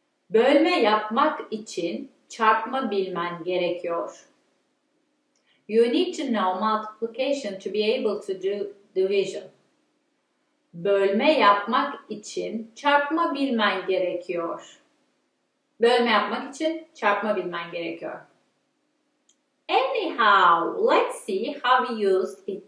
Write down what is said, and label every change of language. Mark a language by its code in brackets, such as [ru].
[tr] Bölme yapmak için çarpma bilmen gerekiyor. [en] You need to know multiplication to be able to do division. [tr] Bölme yapmak için çarpma bilmen gerekiyor. Bölme yapmak için çarpma bilmen gerekiyor. [en] Anyhow, let's see how we used